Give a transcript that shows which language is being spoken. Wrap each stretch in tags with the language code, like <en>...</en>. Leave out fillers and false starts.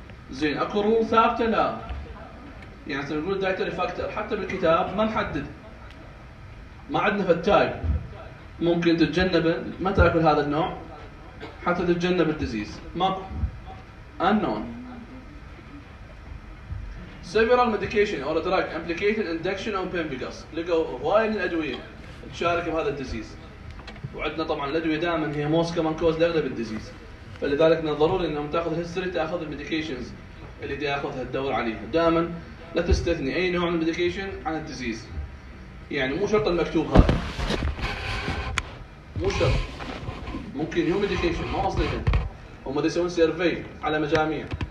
<ar>زين اكو رول ثابته؟ لا، يعني نقول دايتري فاكتور حتى بالكتاب ما نحدد، ما عندنا فتايب ممكن تتجنب ما تأكل هذا النوع حتى تتجنب الديزيز. ماكو unknown.</ar> <en>Several medication or drug implicated induction of pemphigus.</en> <ar>لقوا هواي من الأدوية تشارك بهذا الديزيز. وعندنا طبعا الأدوية دائما هي most common cause لأغلب الديزيز، فلذلك من الضروري انهم تأخذ history تأخذ medications اللي دي أخذها تدور عليها دائما. لا تستثني أي نوع من medication عن الديزيز، يعني مو شرط المكتوب هذا، مو شرط، ممكن هيو ميديكيشن ما أصليهم هم دي يسوون سيرفي على مجاميع.</ar>